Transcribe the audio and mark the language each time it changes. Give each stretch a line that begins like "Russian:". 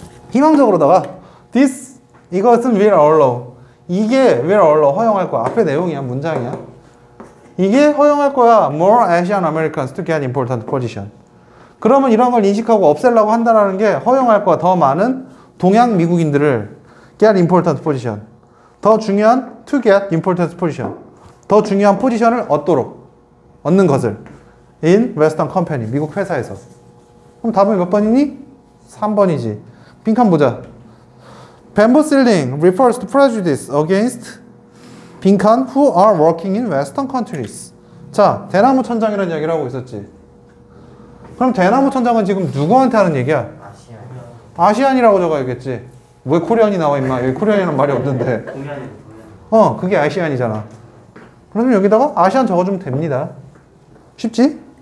Korean: 희망적으로다가 this 이것은
English: will allow.
Korean: 이게
English: will allow
Korean: 허용할 거야. 앞에 내용이야, 문장이야. 이게 허용할 거야.
English: More Asian Americans to get important position.
Korean: 그러면 이런 걸 인식하고 없애려고 한다라는 게 허용할 거야. 더 많은 동양 미국인들을
English: get important position.
Korean: 더 중요한
English: to get important position.
Korean: 더 중요한 포지션을 얻도록 얻는 것을
English: in Western company,
Korean: 미국 회사에서. 그럼 답은 몇 번이니? 3번이지. 빈칸 보자.
English: Bamboo ceiling refers to prejudice against
Korean: 빈칸
English: who are working in Western countries.
Korean: 자, 대나무 천장이라는 이야기를 하고 있었지. 그럼 대나무 천장은 지금 누구한테 하는 얘기야? 아시안이라고 적어야겠지. 왜 코리안이 나와 임마. 여기 코리안이라는 말이 없는데. 어, 그게 아시안이잖아. 그러면 여기다가 아시안 적어주면 됩니다. 쉽지?